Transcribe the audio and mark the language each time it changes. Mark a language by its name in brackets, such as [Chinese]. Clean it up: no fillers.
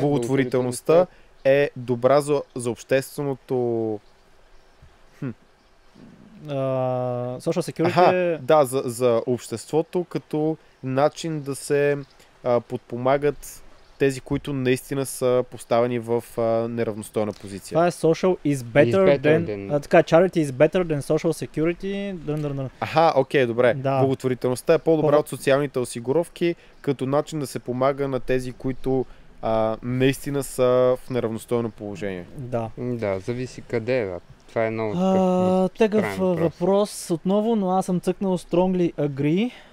[Bulgarian] Благотворителността е добра за общественото... [English] Social security... Аха, [Bulgarian] да, за обществото като начин да се подпомагат тези, които наистина са поставени в неравностойна позиция. Това е [English] social is better than... [Bulgarian] Така, [English] charity is better than social security. [Bulgarian] Аха, окей, добре. Да. Благотворителността е по-добра от социалните осигуровки, като начин да се помага на тези, които наистина са в неравностойно положение. Да. Да, зависи къде е. Това е много... Тегъв въпрос отново, но аз съм цъкнал [English] strongly agree.